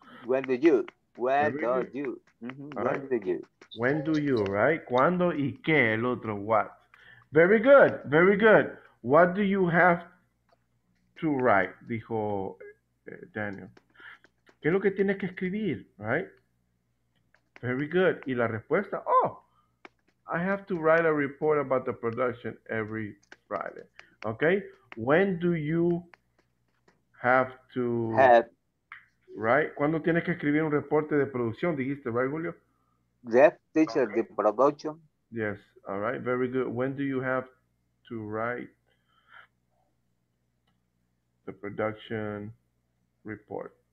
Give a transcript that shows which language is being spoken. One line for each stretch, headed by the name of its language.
English: When do you? Mm-hmm. When do you?
Spanish: When do you, right? Cuando y qué, el otro what.
English: Very good, very good. What do you have to write, dijo Daniel.
Spanish: ¿Qué es lo que tienes que escribir, right?
English: Very good. Y la respuesta, oh, I have to write a report about the production every Friday. Okay. When do you have to have. Write?
Spanish: ¿Cuándo tienes que escribir un reporte de producción? Dijiste, right, Julio?
English: Yes, teacher, okay. The production. Yes. All right. Very good. When do you have to write the production report?